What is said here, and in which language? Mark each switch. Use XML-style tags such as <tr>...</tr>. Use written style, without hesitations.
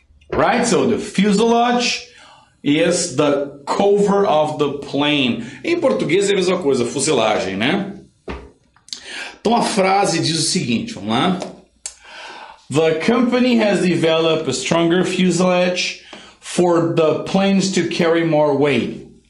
<en>Right, so the fuselage is the cover of the plane.</en> <pt>Em português é a mesma coisa, fuselagem, né? Então a frase diz o seguinte, vamos lá.</pt> <en>The company has developed a stronger fuselage for the planes to carry more weight.</en>